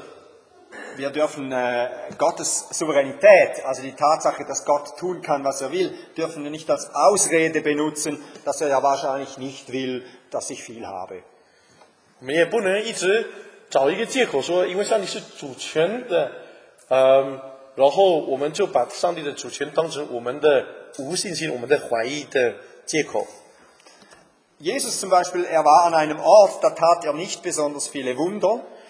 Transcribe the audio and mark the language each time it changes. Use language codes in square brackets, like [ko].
[zh] 所以就算是上帝愿意无限的给予我们，我们对上帝的应许的回应，我们的信心有多少，就有很关键的一个角度。我们要，我们要，我们 [de] Gottes Souveränität, also die Tatsache, dass Gott tun kann, was er will, dürfen wir nicht als Ausrede benutzen, dass er ja wahrscheinlich nicht will, dass ich viel habe. [zh] 我们也不能一直找一个借口说，因为上帝是主权的，然后我们就把上帝的主权当成我们的无信心、我们的怀疑的借口。 [de] Jesus zum Beispiel, er war an einem Ort, da tat er nicht besonders viele Wunder.